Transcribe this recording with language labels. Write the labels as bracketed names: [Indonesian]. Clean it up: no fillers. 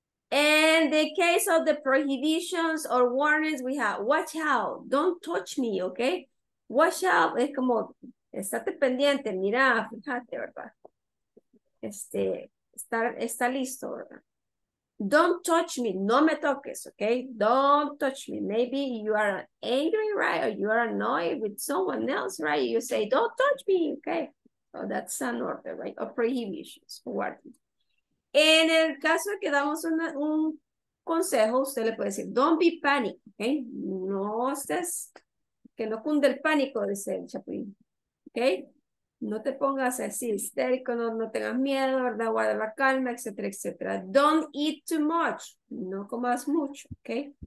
[English] In the case of the prohibitions or warnings, we have watch out, don't touch me, okay? Watch out, [Spanish] es como, estate pendiente, mira, fíjate, ¿verdad? Está listo, ¿verdad? [English] Don't touch me, [Spanish] no me toques, okay? [English] Don't touch me. Maybe you are angry, right? Or you are annoyed with someone else, right? You say, don't touch me, okay? So that's an order, right? Or prohibitions, warning. [Spanish] En el caso de que damos un consejo, usted le puede decir, [English] don't be panic, [Spanish] okay? No estés, que no cunde el pánico, dice el chapulín, okay? No te pongas así, histérico, no tengas miedo, ¿verdad? Guarda la calma, etcétera, etcétera. [English] Don't eat too much, [Spanish] no comas mucho, [English] okay?